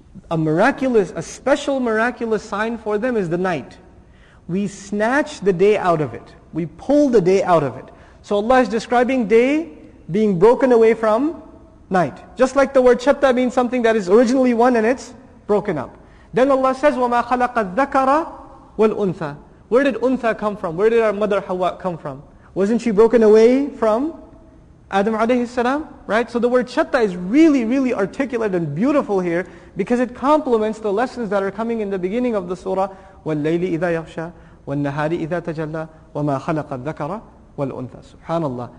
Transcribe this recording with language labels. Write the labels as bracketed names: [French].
[English] A miraculous, a special miraculous sign for them is the night. We snatch the day out of it. We pull the day out of it. So Allah is describing day being broken away from night. Just like the word shatta means something that is originally one and it's broken up. Then Allah says, [Arabic] وَمَا خَلَقَ الذَّكَرَ وَالْأُنْثَى. [English] Where did Untha come from? Where did our mother Hawa come from? Wasn't she broken away from Adam alayhi salam? Right? So the word chatta is really, really articulate and beautiful here because it complements the lessons that are coming in the beginning of the surah. [Arabic] وَاللَّيْلِ إِذَا يَغْشَى وَالنَّهَارِ إِذَا تَجَلَّى وَمَا خَلَقَ الذَّكَرَ وَالْأُنْثَى. SubhanAllah.